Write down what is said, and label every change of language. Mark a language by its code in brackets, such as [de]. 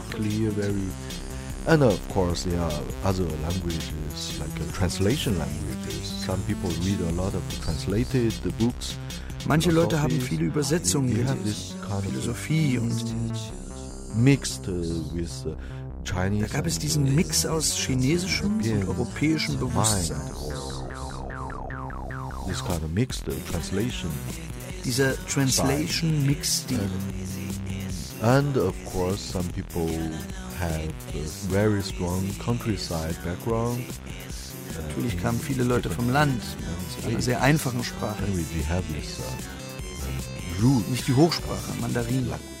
[en] Very clear, very, and of course there are other languages, like translation languages. Some people read a lot of translated the books. [de] Manche Leute haben viele Übersetzungen gelesen, Philosophie und [en] mixed with. [de] Da gab es diesen Mix aus chinesischem und europäischem Bewusstsein. [en] This kind of mix, the translation. [de] Dieser [en] translation mix deal. And of course, some people have a very strong countryside background. [de] Natürlich kamen viele Leute vom Land mit einer sehr einfachen Sprache. [en] We have this, [de] nicht die Hochsprache, Mandarin.